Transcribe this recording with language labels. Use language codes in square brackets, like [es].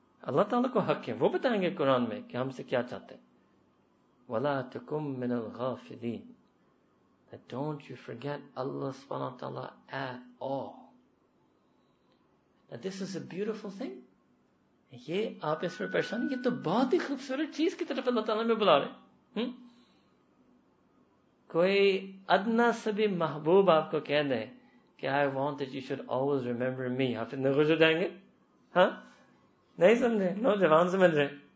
[ur] اللہ تعالیٰ کو حق ہے, وہ بتائیں گے قرآن میں کہ ہم سے کیا چاہتے ہیں. [ar] وَلَا تَكُم مِّنَ الْغَافِلِينَ, [en] that don't you forget Allah سبحانہ وتعالی at all. Now this is a beautiful thing. [ur] یہ آپ اس پر پریشان, یہ تو بہت ہی خوبصورت چیز کی طرف اللہ تعالیٰ میں بلا رہے ہیں. کوئی ادنا سبھی محبوب آپ کو کہہ دیں کہ [en] I want that you should always remember me, [ur] آپ اتنے خوش ہو جائیں گے؟ ہاں نہیں سمجھے, نوجوان سمجھ رہے.